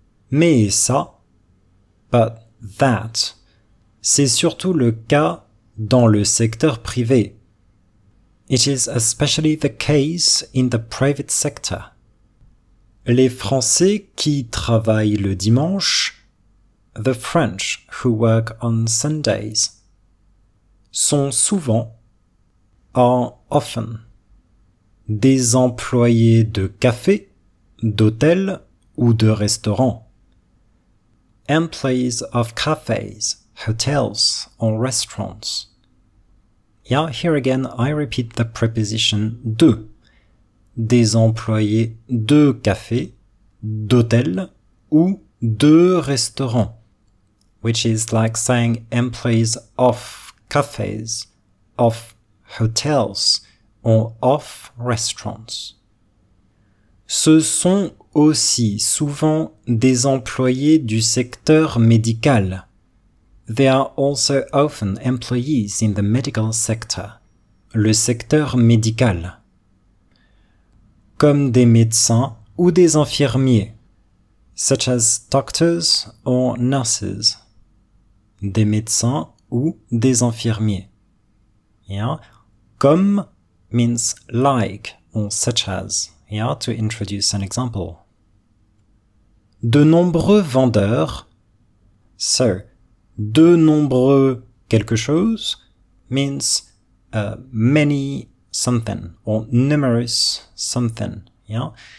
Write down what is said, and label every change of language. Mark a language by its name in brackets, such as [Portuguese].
[French] Mais ça, [English] but that, [French] c'est surtout le cas dans le secteur privé. [English] It is especially the case in the private sector. [French] Les Français qui travaillent le dimanche, [English] the French who work on Sundays, [French] sont souvent, [English] are often, [French] des employés de café, d'hôtel ou de restaurant. [English] Employees of cafes, hotels or restaurants. Yeah, here again, I repeat the preposition de. [French] Des employés de café, d'hôtel ou de restaurant. [English] Which is like saying employees of cafes, of hotels, or off restaurants. [French] Ce sont aussi souvent des employés du secteur médical. [English] They are also often employees in the medical sector. [French] Le secteur médical. Comme des médecins ou des infirmiers. [English] Such as doctors or nurses. [French] Des médecins ou des infirmiers. [English] Yeah. Comme means like or such as, yeah, to introduce an example. [French] De nombreux vendeurs, [English] so, de nombreux quelque chose means many something or numerous something, yeah.